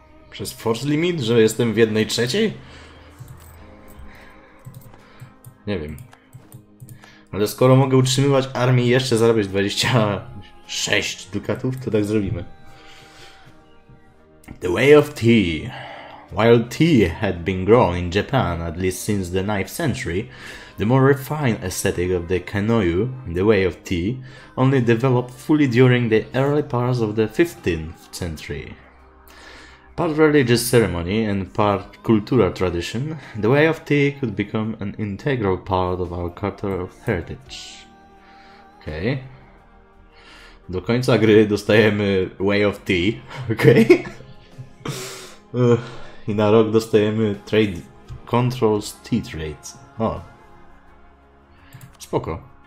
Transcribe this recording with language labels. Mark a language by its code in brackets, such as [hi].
[pl] Przez force limit, że jestem w 1/3? Nie wiem. Ale skoro mogę utrzymywać armię i jeszcze zarabiać 26 dukatów, to tak zrobimy. [en] The way of tea. While tea had been grown in Japan at least since the 9th century, the more refined aesthetic of the kanoyu, the way of tea, only developed fully during the early parts of the 15th century. Part religious ceremony and part cultural tradition, the way of tea could become an integral part of our cultural heritage. Okay. [pl] Do końca gry dostajemy way of tea. [en] Okay. [pl] I na rok dostajemy Trade Controls Tea Trades. O. Spoko.